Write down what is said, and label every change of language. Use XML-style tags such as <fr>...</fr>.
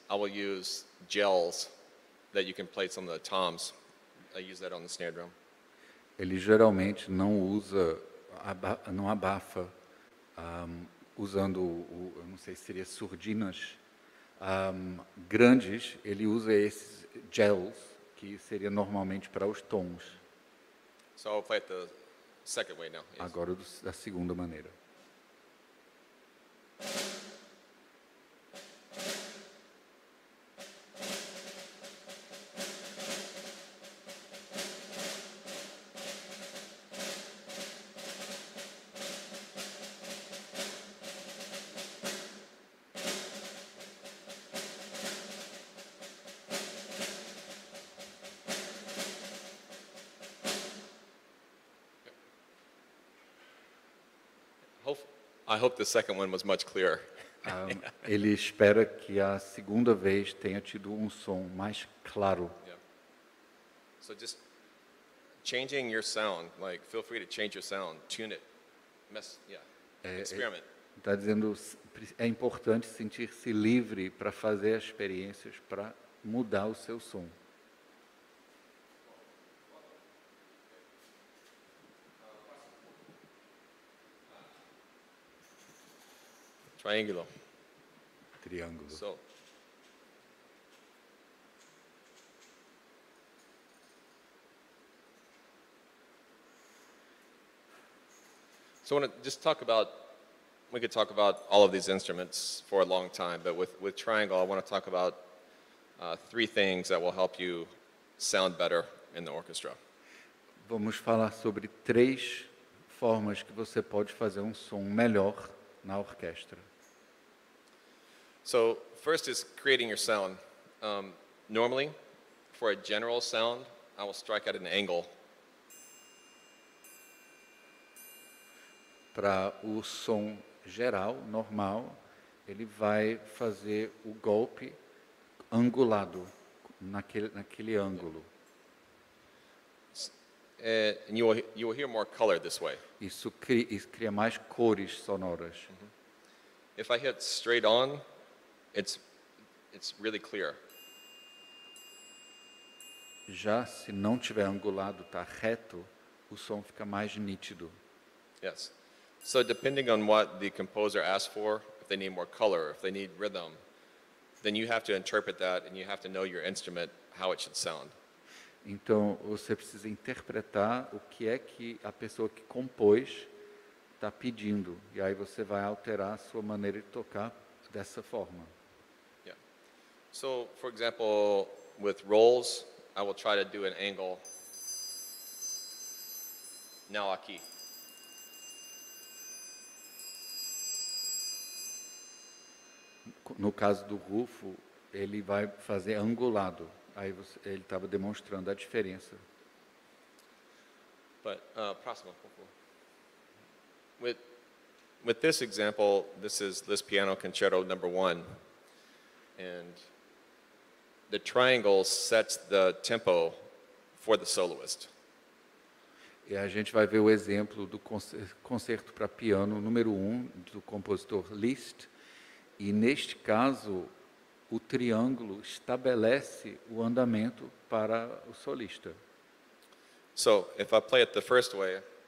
<en>I will use gels that you can play some of the toms. I use that on the snare drum.</en> <pt>Ele geralmente não usa, não abafa, usando, eu não sei se seria surdinas grandes. Ele usa esses gels que seria normalmente para os tons.</pt> <en>So I'll play it the second way now. Yes.</en> <pt>Agora da segunda maneira.</pt> <en>I hope the second one was much clearer.</en> <pt>Ele espera que a segunda vez tenha tido som mais claro.</pt> <en>Yeah. So just changing your sound, like feel free to change your sound, tune it, mess, yeah, experiment.</en> <pt>Está dizendo é importante sentir-se livre para fazer experiências, para mudar o seu som. Triângulo. Triângulo.</pt> <en>So, so I want to just talk about we could talk about all of these instruments for a long time, but with Triangle, I want to talk about three things that will help you sound better in the orchestra.</en> <pt>Vamos falar sobre três formas que você pode fazer som melhor na orquestra.</pt> <en>So, first is creating your sound. Normally, for a general sound, I will strike at an angle.</en> <pt>Para o som geral, normal, ele vai fazer o golpe angulado, naquele ângulo.</pt> <en>And you will hear more color this way.</en> <pt>Isso cria mais cores sonoras. Mm-hmm.</pt> <en>If I hit straight on, it's really clear.</en> <pt>Já se não tiver angulado, tá reto, o som fica mais nítido.</pt> <en>Yes. So depending on what the composer asks for, if they need more color, if they need rhythm, then you have to interpret that and you have to know your instrument how it should sound.</en> <pt>Então, você precisa interpretar o que é que a pessoa que compôs está pedindo. E aí você vai alterar a sua maneira de tocar dessa forma.</pt> <en>Yeah. So, for example, with rolls, I will try to do an angle.</en> <pt>Now aqui. No caso do rufo, ele vai fazer angulado. Aí você, ele estava demonstrando a diferença. But próximo, por favor.</pt> <en>With this example, this is this piano concerto number one, and the triangle sets the tempo for the soloist.</en> <pt>E a gente vai ver o exemplo do concerto para piano número um do compositor Liszt, e neste caso o triângulo estabelece o andamento para o solista.</pt> <en>So, if I play it the first way.</en>